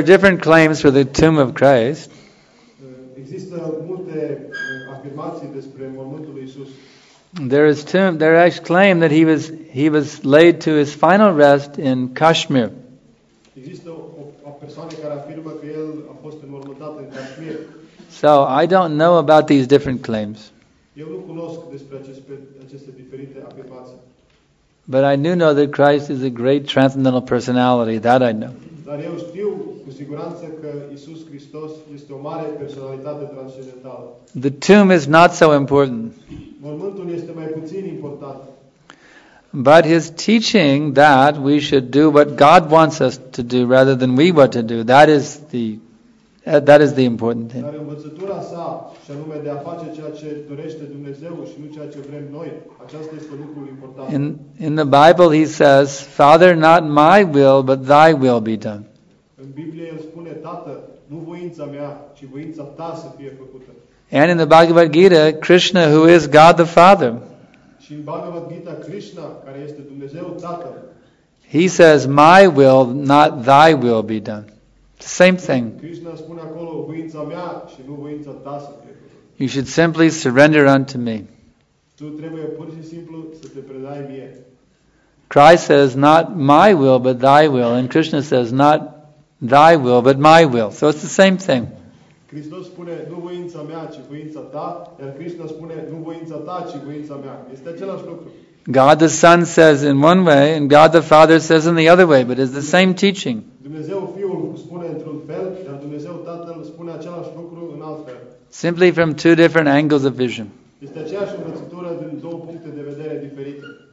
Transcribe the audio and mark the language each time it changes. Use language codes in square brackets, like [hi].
[en] There are different claims for the tomb of Christ. [ro] Există multe afirmații despre mormântul lui Isus. [en] There is tomb. There is claim that he was laid to his final rest in Kashmir. [ro] Există o persoană care afirmă că el a fost înmormântat în Kashmir. [en] So I don't know about these different claims. [ro] Eu nu cunosc despre aceste diferite afirmații. [en] But I do know that Christ is a great transcendental personality. That I know. [ro] Dar eu știu cu siguranță că Iisus Hristos este o mare personalitate transcendentală. [en] The tomb is not so important. [ro] Mormântul este mai puțin important. [en] But his teaching that we should do what God wants us to do rather than we what to do, that is the important thing. [ro] Dar învățătura sa, și anume de a face ceea ce dorește Dumnezeu și nu ceea ce vrem noi, aceasta este lucrul important. [en] In the Bible he says, Father, not my will, but thy will be done. [ro] În Biblie el spune, Tată, nu voința mea, ci voința ta să fie făcută. [en] And in the Bhagavad Gita, Krishna, who is God the Father. [ro] Și în Bhagavad Gita, Krishna, care este Dumnezeu Tatăl. [en] He says, my will, not thy will be done. Same thing. [ro] Krishna spune acolo, voința mea și nu voința ta să fie. [en] You should simply surrender unto me. [ro] Tu trebuie pur și simplu să te predai mie. [en] Christ says, not my will, but thy will. And Krishna says, not thy will, but my will. So it's the same thing. [ro] Hristos spune, nu voința mea, ci voința ta. Iar Krishna spune, nu voința ta, ci voința mea. Este același lucru. [en] God the Son says in one way, and God the Father says in the other way, but it's the same teaching. [ro] Dumnezeu Fiul spune într-un fel, iar Dumnezeu Tatăl spune același lucru în alt fel. [en] Simply from two different angles of vision. [ro] Este aceeași învățătură din două puncte de vedere diferite.